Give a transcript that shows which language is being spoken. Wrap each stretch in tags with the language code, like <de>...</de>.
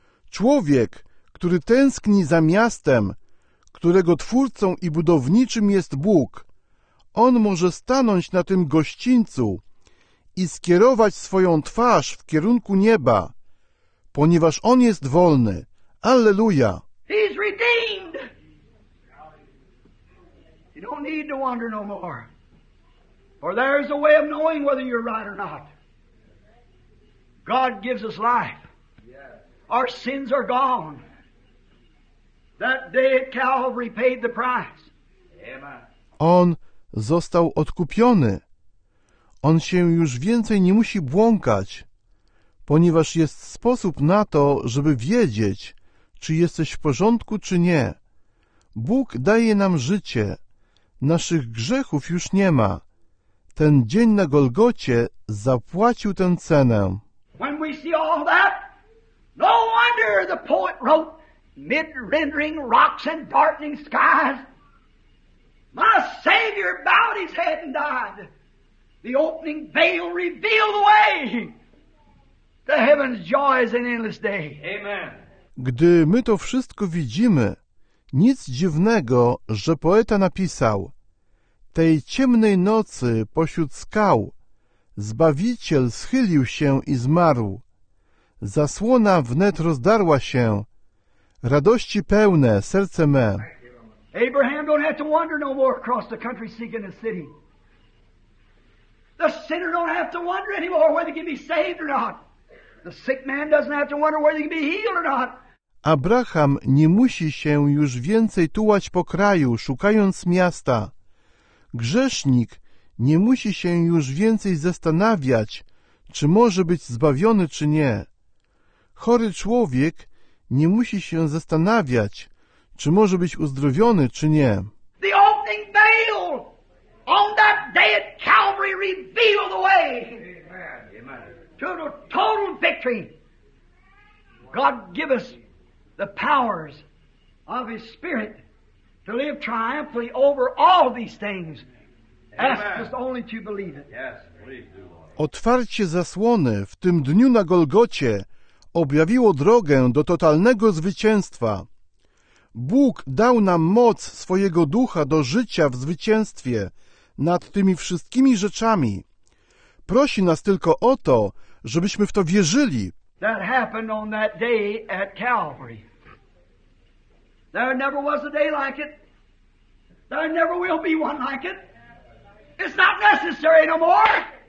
<pl>Człowiek, który tęskni za miastem, którego twórcą i budowniczym jest Bóg, on może stanąć na tym gościńcu i skierować swoją twarz w kierunku nieba, ponieważ on jest wolny. Alleluja!</pl> <en>He's redeemed! You don't need to wonder no more. For there is a way of knowing whether you're right or not. God gives us life. Our sins are gone. That day at Calvary paid the price.</en> <pl>On został odkupiony. On się już więcej nie musi błąkać, ponieważ jest sposób na to, żeby wiedzieć, czy jesteś w porządku, czy nie. Bóg daje nam życie. Naszych grzechów już nie ma. Ten dzień na Golgocie zapłacił tę cenę.</pl> <en>When we see all that, no wonder the poet wrote, mid rending rocks and darkening skies, my Savior bowed his head and died. The opening veil revealed the way. The heaven's joy is an endless day. Amen.</en> <pl>Gdy my to wszystko widzimy, nic dziwnego, że poeta napisał: tej ciemnej nocy pośród skał Zbawiciel schylił się i zmarł. Zasłona wnet rozdarła się, radości pełne serce me.</pl> <en>Abraham don't have to wander no more across the country seeking a city. The sinner don't have to wonder anymore whether he can be saved or not. The sick man doesn't have to wonder whether he can be healed or not.</en> <pl>Abraham nie musi się już więcej tułać po kraju, szukając miasta. Grzesznik nie musi się już więcej zastanawiać, czy może być zbawiony, czy nie. Chory człowiek nie musi się zastanawiać, czy może być uzdrowiony, czy nie.</pl> <en>The opening veil on that day at Calvary revealed the way. Amen. To total victory. God give us the powers of his spirit to live triumphantly over all these things. Ask just only to believe it. Yes, please do.</en> <pl>Otwarcie zasłony w tym dniu na Golgocie objawiło drogę do totalnego zwycięstwa. Bóg dał nam moc swojego ducha do życia w zwycięstwie nad tymi wszystkimi rzeczami. Prosi nas tylko o to, żebyśmy w to wierzyli.</pl> <en>That happened on that day at Calvary. There never was a day like it. There never will be one like it. It's not necessary no more.</en>